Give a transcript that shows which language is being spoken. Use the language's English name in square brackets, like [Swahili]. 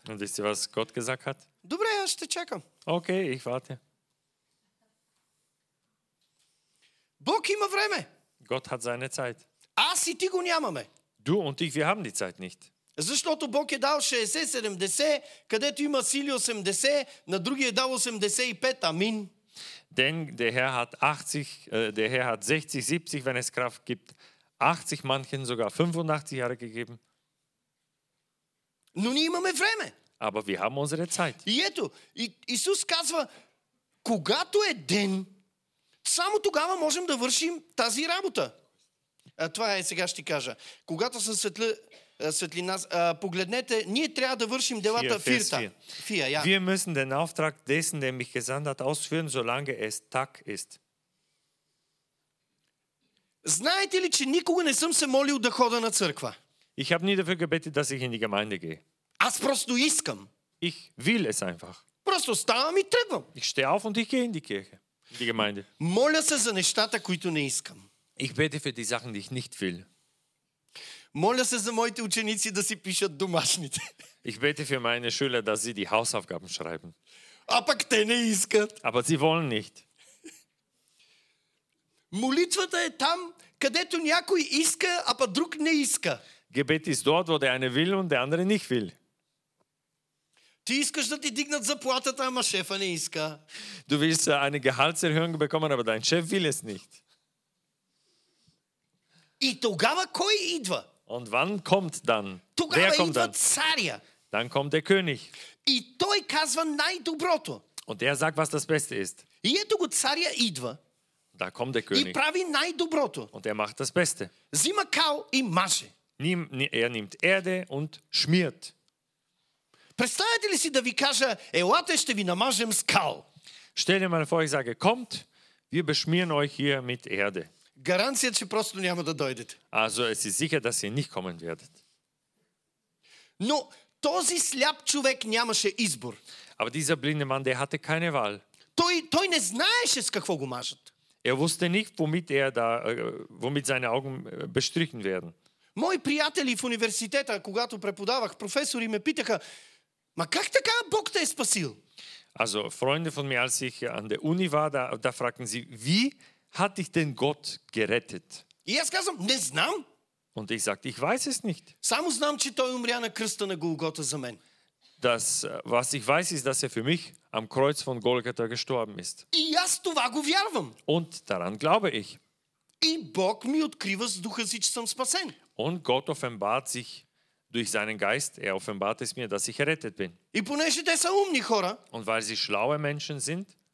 [German] Und wisst ihr, was Gott gesagt hat? [Bulgarian] Добре, аз ще чакам. [German] Окей, okay, ich warte. [Bulgarian] Бог има време. [German] Gott hat seine Zeit. [Bulgarian] Аз и ти го нямаме. [German] Du und ich, wir haben die Zeit nicht. [Bulgarian] Защото Бог е дал 60-70, където има сили 80, на другия е дал 85, амин. [German] Denn der Herr hat 80, der Herr hat 60, 70, wenn es Kraft gibt, 80 manchen sogar 85 Jahre gegeben. [Bulgarian] Но ние имаме време. [German] Aber wir haben unsere Zeit. [Bulgarian] И ето, Исус казва, когато е ден, само тогава можем да вършим тази работа. Това е сега ще ти кажа. Когато са светлина, погледнете, ние трябва да вършим делата фирта. Фия, ja. [German] Wir müssen den Auftrag dessen, der mich gesandt hat, ausführen, solange es Tag ist. [Bulgarian] Знаете ли, че никога не съм се молил да хода на църква? [German] Ich habe nie dafür gebetet, dass ich in die Gemeinde gehe. [Bulgarian] Аз просто искам. [German] Ich will es einfach. [Bulgarian] Просто ставам и тръгвам. [German] Ich stehe auf und ich gehe in die Kirche, in die Gemeinde. [Bulgarian] Моля се за нещата, които не искам. [German] Ich bete für die Sachen, die ich nicht will. [Bulgarian] Моля се за моите ученици да си пишат домашните. [German] Ich bete für meine Schüler, dass sie die Hausaufgaben schreiben. [Bulgarian] А пък те не искат. [German] Aber sie wollen nicht. [Bulgarian] Молитвата е там, където някой иска, а пък друг не иска. [German] Gebet ist dort, wo der eine will und der andere nicht will. [Bulgarian] Ти искаш да ти дигнат заплатата, ама шефа не иска. [German] Du willst eine Gehaltserhöhung bekommen, aber dein Chef will es nicht. [Bulgarian] И тогава кой идва? [German] Und wann kommt dann? [Bulgarian] Тогава идва царя. [German] Dann kommt der König. [Bulgarian] И той казва най-доброто. [German] Und er sagt, was das Beste ist. [Bulgarian] И ето го царя идва. [German] Da kommt der König. [Bulgarian] И прави най-доброто. [German] Und er macht das Beste. [Bulgarian] Взима кал и маже. [German] Er nimmt Erde und schmiert. [Bulgarian] Представете ли си да ви кажа, елате, ще ви намажем скал. [German] Stell dir mal vor, ich sage, kommt, wir beschmieren euch hier mit Erde. [Bulgarian] Гаранция, че просто няма да дойдете. [German] Also, es ist sicher, dass ihr nicht kommen werdet. [Bulgarian] Но този сляп човек нямаше избор. [German] Aber dieser blinde Mann, der hatte keine Wahl. [Bulgarian] Той не знаеше с какво го мажат. [German] Er wusste nicht, womit er da, womit seine Augen bestrichen werden. [Bulgarian] Мои приятели в университета, когато преподавах, професори ме питаха, ма как така Бог те е спасил? [German] Also, Freunde von mir, als ich an der Uni war, da fragten sie, wie hat dich denn Gott gerettet? [Bulgarian] И аз казвам, не знам. [German] Und ich sagte, ich weiß es nicht. [Bulgarian] Само знам, че той умря на кръста на Голгота за мен. [German] Das, was ich weiß, ist, dass er für mich am Kreuz von Golgatha gestorben ist. [Bulgarian] И аз това го вярвам. [German] Und daran glaube ich. [Bulgarian] И Бог ми открива с духа си, че съм спасен. [German] Und Gott offenbart sich durch seinen Geist, er offenbart es mir, dass ich errettet bin. Und weil sie schlaue Menschen sind,